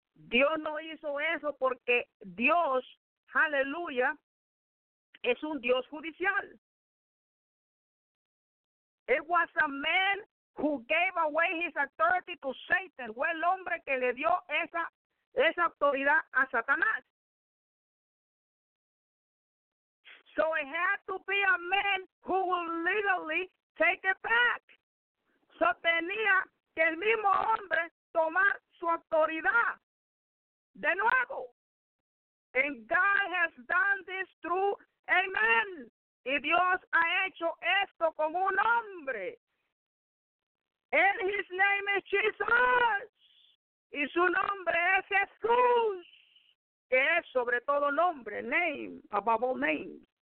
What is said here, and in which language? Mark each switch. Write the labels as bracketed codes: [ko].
[es] Dios no hizo eso porque Dios, aleluya, es un Dios judicial. [en] It was a man who gave away his authority to Satan. [es] Fue el hombre que le dio esa autoridad a Satanás. [en] So it had to be a man who will literally take it back. [es] So tenía que el mismo hombre tomar su autoridad de nuevo. [en] And God has done this through a man. [es] Y Dios ha hecho esto con un hombre. [en] And his name is Jesus. [es] Y su nombre es Jesús. [en] Que es sobre todo nombre, name, above all names.